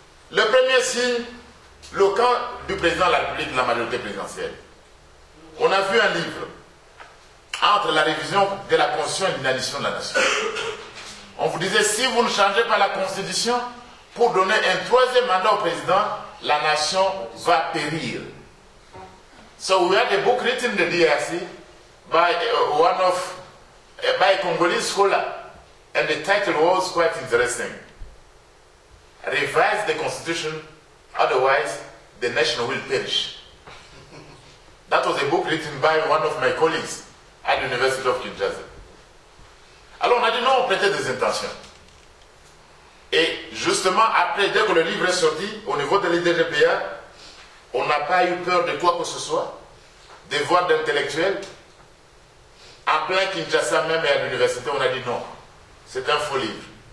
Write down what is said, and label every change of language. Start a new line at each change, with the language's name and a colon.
French: Le premier signe, le camp du président de la République, de la majorité présidentielle. On a vu un livre entre la révision de la Constitution et l'inanition de la nation. On vous disait, si vous ne changez pas la Constitution pour donner un troisième mandat au président, la nation va périr.
English: So we had a book written in the DRC by one of by a Congolese scholar, and the title was quite interesting. Revise the Constitution, otherwise the nation will perish. That was a book written by one of my colleagues at the University of Kinshasa.
French: Alors on a dit non, on prêtait des intentions. Et justement, après, dès que le livre est sorti, au niveau de l'IDGPA, on n'a pas eu peur de quoi que ce soit, des voix d'intellectuels. En plein Kinshasa même et à l'université, on a dit non, c'est un faux livre.